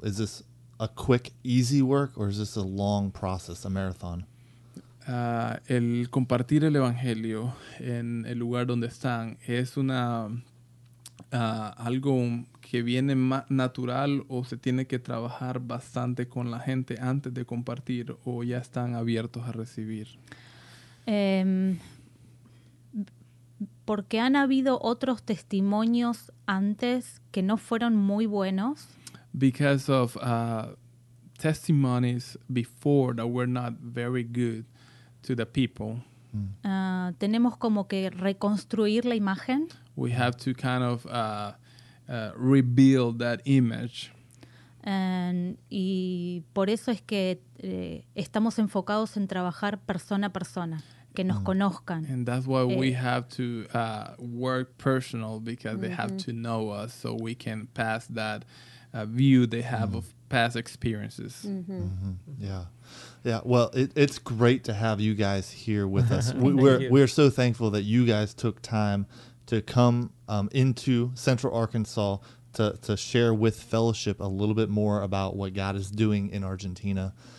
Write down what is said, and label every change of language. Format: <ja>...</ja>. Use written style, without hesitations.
<en>Is this a quick, easy work, or is this a long process, a marathon?</en> <es>el compartir el evangelio en el lugar donde están es una algo que viene más natural o se tiene que trabajar bastante con la gente antes de compartir o ya están abiertos a recibir? Porque han habido otros testimonios antes que no fueron muy buenos.</es> <en>Because of testimonies before that were not very good to the people.</en> <es>Tenemos como que reconstruir la imagen.</es> <en>We have to kind of rebuild that image.</en> <es>Y por eso es que estamos enfocados en trabajar persona a persona. Que nos conozcan.</es> <en>And that's why we have to work personal because they have to know us so we can pass that view they have of past experiences. Yeah. Well, it's great to have you guys here with us. We're so thankful that you guys took time to come into Central Arkansas to share with Fellowship a little bit more about what God is doing in Argentina.</en>